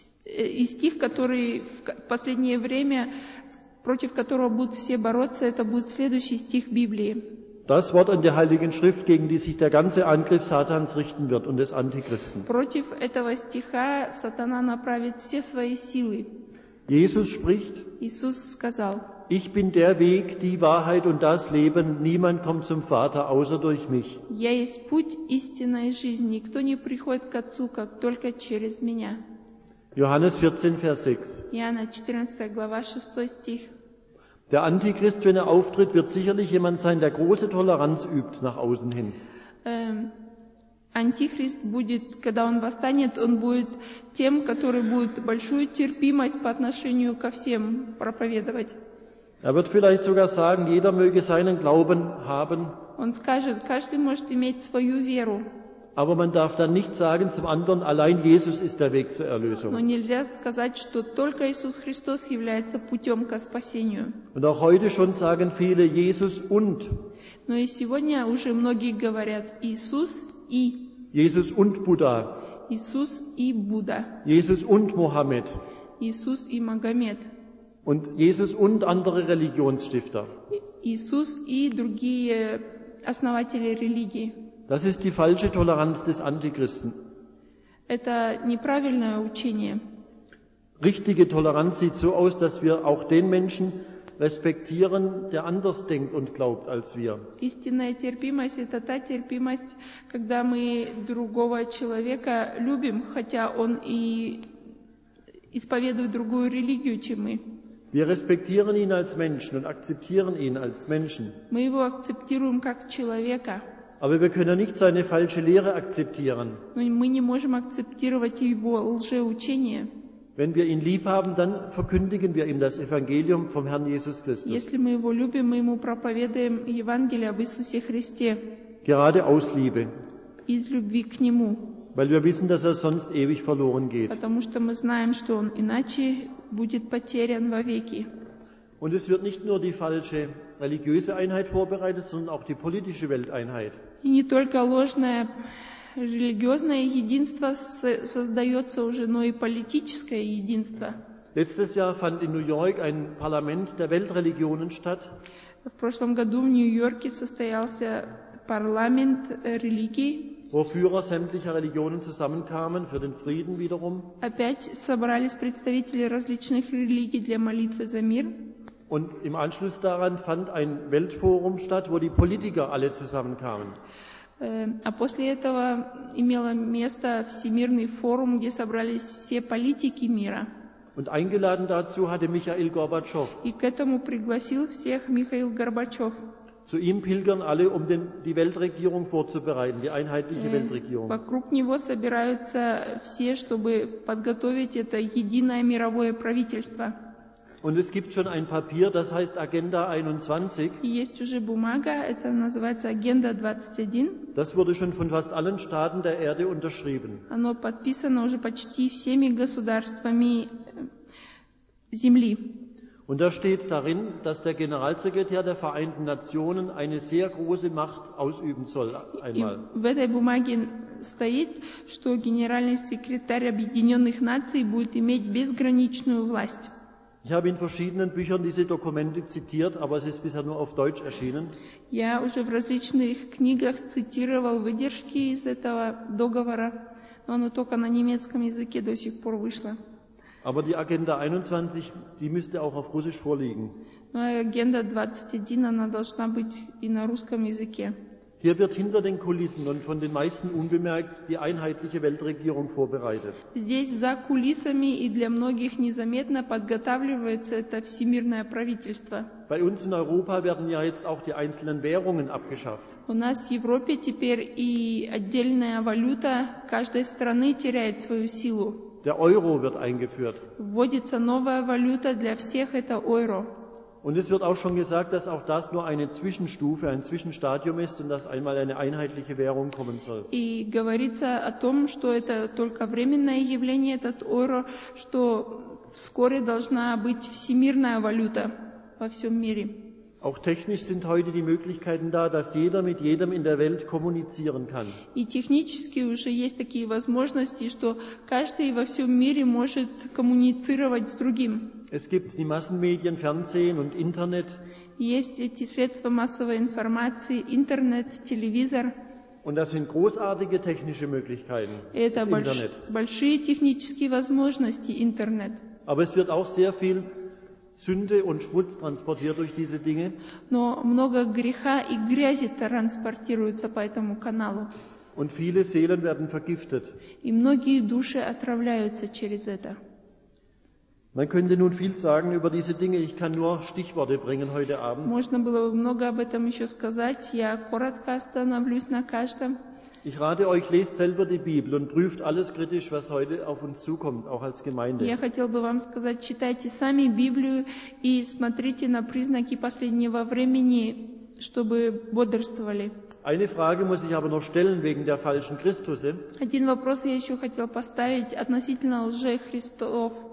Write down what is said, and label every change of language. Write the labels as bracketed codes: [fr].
[ru] И стих, который в последнее время, против которого будут все бороться, это будет следующий стих Библии. [de] Das Wort in der Heiligen Schrift, gegen die sich der ganze Angriff Satans richten wird und des Antichristen. [ru] Против этого стиха Сатана направит все свои силы. [de] Jesus spricht, [ru] Иисус сказал, [de] Ich bin der Weg, die Wahrheit und das Leben. Niemand kommt zum Vater, außer durch mich. [ru] Я есть путь, истина и жизнь. Никто не приходит к Отцу, как только через меня. [de] Johannes 14, Vers 6. [ru] Иоанна 14, глава 6 стих. [de] Der Antichrist, wenn er auftritt, wird sicherlich jemand sein, der große Toleranz übt nach außen hin. [ru] Антихрист будет, когда он восстанет, он будет тем, который будет большую терпимость по отношению ко всем проповедовать. [de] Er wird vielleicht sogar sagen, jeder möge seinen Glauben haben. [ru] Он скажет, каждый может иметь свою веру. [de] Aber man darf dann nicht sagen zum anderen, allein Jesus ist der Weg zur Erlösung. [ru] Но нельзя сказать, что только Иисус Христос является путем ко спасению. [de] Und auch heute schon sagen viele Jesus und. [ru] Но и сегодня уже многие говорят Иисус и. [de] Jesus und Buddha. [ru] Иисус и Будда. [de] Jesus und Mohammed. [ru] Иисус и Магомед. [de] Und Jesus und andere Religionsstifter. [ru] Иисус и другие основатели религии. [de] Das ist die falsche Toleranz des Antichristen. [ru] Это неправильное учение. [de] Richtige Toleranz sieht so aus, dass wir auch den Menschen respektieren, der anders denkt und glaubt als wir. [ru] Истинная терпимость – это та терпимость, когда мы другого человека любим, хотя он и исповедует другую религию, чем мы. [de] Wir respektieren ihn als Menschen und akzeptieren ihn als Menschen. [ru] Мы его акцептируем как человека. [de] Aber wir können nicht seine falsche Lehre akzeptieren. [ru] Но мы не можем акцептировать его лжеучение. [de] Wenn wir ihn lieb haben, dann verkündigen wir ihm das Evangelium vom Herrn Jesus Christus. [ru] Если мы его любим, мы ему проповедуем Евангелие об Иисусе Христе. [de] Gerade aus Liebe. [ru] Из любви к нему. [de] Weil wir wissen, dass sonst ewig verloren geht. [ru] Потому что мы знаем, что он иначе будет потерян вовеки. [de] Und es wird nicht nur die falsche religiöse Einheit vorbereitet, sondern auch die politische Welteinheit. [ru] И не только ложное религиозное единство создается уже, но и политическое единство. [de] Letztes Jahr fand in New York ein Parlament der Weltreligionen statt. [ru] В прошлом году в Нью-Йорке состоялся парламент религий. [de] Wo Führer sämtlicher Religionen zusammenkamen für den Frieden wiederum. [ru] Опять собрались представители различных религий для молитвы за мир. [de] Und im Anschluss daran fand ein Weltforum statt, wo die Politiker alle zusammenkamen. [ru] А после этого имело место всемирный форум, где собрались все политики мира. [de] Und eingeladen dazu hatte Michail Gorbatschow. [ru] И к этому пригласил всех Михаил Горбачев. [de] Zu ihm pilgern alle, um die Weltregierung vorzubereiten, die einheitliche Weltregierung. [ru] Вокруг него собираются все, чтобы подготовить это единое мировое правительство. [de] Und es gibt schon ein Papier, das heißt Agenda 21. [ru] Есть уже бумага, это называется Agenda 21. [de] Das wurde schon von fast allen Staaten der Erde unterschrieben. [ru] Оно подписано уже почти всеми государствами Земли. [de] Und da steht darin, dass der Generalsekretär der Vereinten Nationen eine sehr große Macht ausüben soll einmal. [ru] В этой бумаге стоит, что генеральный секретарь Объединенных Наций будет иметь безграничную власть. [de] Ich habe in verschiedenen Büchern diese Dokumente zitiert, aber es ist bisher nur auf Deutsch erschienen. [ru] Я уже в различных книгах цитировал выдержки из этого договора, но оно только на немецком языке до сих пор вышло. [de] Aber die Agenda 21, die müsste auch auf Russisch vorliegen. [ru] Но Agenda 21, она должна быть и на русском языке. [de] Hier wird hinter den Kulissen und von den meisten unbemerkt die einheitliche Weltregierung vorbereitet. [ru] Здесь за кулисами и для многих незаметно подготавливается это всемирное правительство. [de] Bei uns in Europa werden ja jetzt auch die einzelnen Währungen abgeschafft. [ru] У нас в Европе теперь и отдельная валюта каждой страны теряет свою силу. [de] Der Euro wird eingeführt. [ru] Вводится новая валюта для всех, это Euro. [de] Und es wird auch schon gesagt, dass auch das nur eine Zwischenstufe, ein Zwischenstadium ist und dass einmal eine einheitliche Währung kommen soll. [ru] И говорится о том, что это только временное явление, этот Euro, что вскоре должна быть всемирная валюта во всем мире. [de] Auch technisch sind heute die Möglichkeiten da, dass jeder mit jedem in der Welt kommunizieren kann. [ru] И технически уже есть такие возможности, что каждый во всем мире может коммуницировать с другим. [de] Es gibt die Massenmedien, Fernsehen und Internet. [ru] Есть эти средства массовой информации, Internet, телевизор. [de] Und das sind großartige technische Möglichkeiten. [ru] Это большие технические возможности Internet. [de] Aber es wird auch sehr viel Sünde und Schmutz transportiert durch diese Dinge. [ru] Но много греха и грязи транспортируется по этому каналу. [de] Und viele Seelen werden vergiftet. [ru] И многие души отравляются через это. [de] Man könnte nun viel sagen über diese Dinge. Ich kann nur Stichworte bringen heute Abend. [ru] Можно было бы много об этом еще сказать. Я коротко остановлюсь на каждом. [de] Ich rate euch, lest selber die Bibel und prüft alles kritisch, was heute auf uns zukommt, auch als Gemeinde. [ru] Я хотел бы вам сказать, читайте сами Библию и смотрите на признаки последнего времени, чтобы бодрствовали. [de] Eine Frage muss ich aber noch stellen wegen der falschen Christusse. [ru] Один вопрос я еще хотел поставить относительно лжехристов.